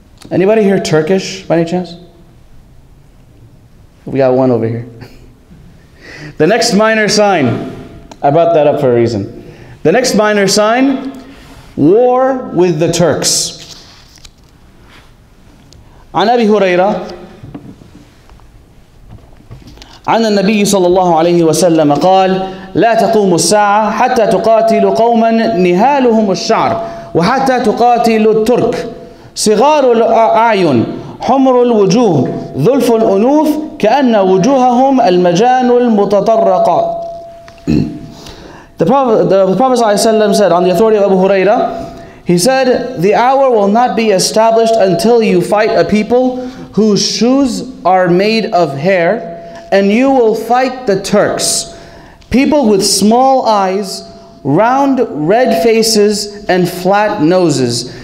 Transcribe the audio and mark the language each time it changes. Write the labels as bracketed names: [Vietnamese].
[English] Anybody here Turkish by any chance? We got one over here. The next minor sign. I brought that up for a reason. The next minor sign, war with the Turks. [Arabic] عن أبي هريرة عن النبي صلى الله عليه وسلم قال لا تقوم الساعة حتى تقاتل قوما نهالهم الشعر وحتى تقاتل الترك صغار الأعين حمر الوجوه ذلف الأنوف كأن وجوههم المجان المتطرقة. [English] The Prophet said, on the authority of Abu Huraira, he said, the hour will not be established until you fight a people whose shoes are made of hair, and you will fight the Turks, people with small eyes, round red faces, and flat noses.